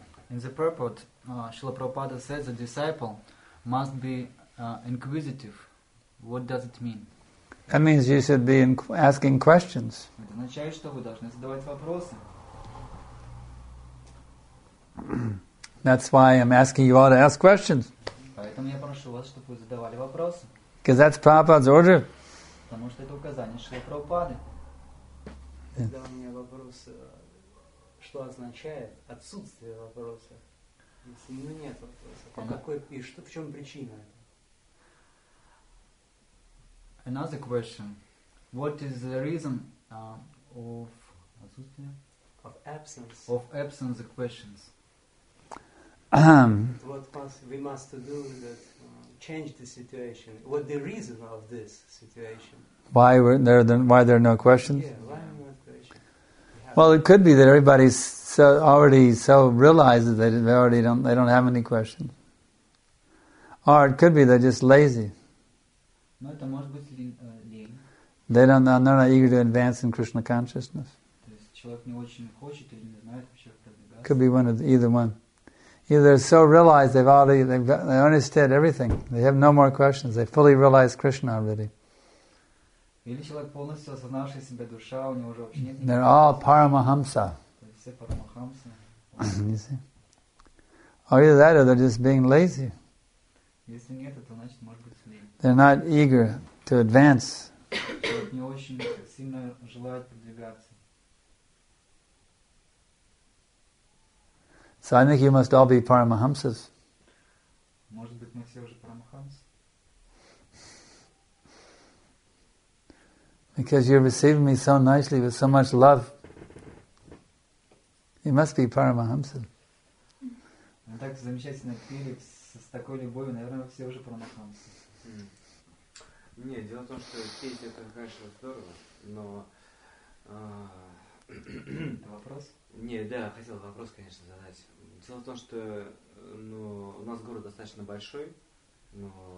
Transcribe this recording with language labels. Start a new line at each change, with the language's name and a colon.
English: In the purport, Srila Prabhupada says the disciple must be inquisitive. What does it mean? That means you should be asking questions.
Russian: Это означает, что вы должны задавать вопросы.
English: That's why I'm asking you all to ask questions.
Russian: Поэтому я прошу вас, чтобы вы задавали вопросы.
English: Because that's Prabhupada's order.
Russian: Потому что это указание Шрила Прабхупады. Когда у меня вопрос, что означает отсутствие вопроса? Если у меня нет вопроса, по какой и что, в чем причина?
English: Another question. What is the reason of
Russian: отсутствие?
English: Of absence. Of absence of questions. What must we must do that change the situation? What the reason of this situation? Why there are no questions? Yeah, why no questions? Well, it could be that everybody's so realizes that they don't have any questions. Or it could be they're just lazy.
Russian: No, это может быть лень.
English: They're not eager to advance in Krishna consciousness.
Russian: То есть человек не очень хочет или не знает вообще продвигаться.
English: Could be either one. Either they're so realized they understood everything. They have no more questions. They fully realize Krishna already.
Russian: Или человек полностью осознавший себя душа, у него уже вообще нет.
English: They're all Paramahamsa.
Russian: То есть все Paramahamsa.
English: You see? Or either that, or they're just being lazy.
Russian: Если нет, то значит может быть лень.
English: They're not eager to advance.
Russian: Человек не очень сильно желает продвигаться.
English: So I think you must all be Paramahamsas.
Russian: Может быть мы все уже Paramahamsas.
English: Because you're receiving me so nicely with so much love. You must be Paramahamsa.
Russian: Вы так замечательно пили с такой любовью, наверное, все уже Paramahamsa. Нет, дело в том, что петь это, конечно, здорово, но... Это вопрос? Нет, да, хотел вопрос, конечно, задать. Дело в том, что у нас город достаточно большой, но...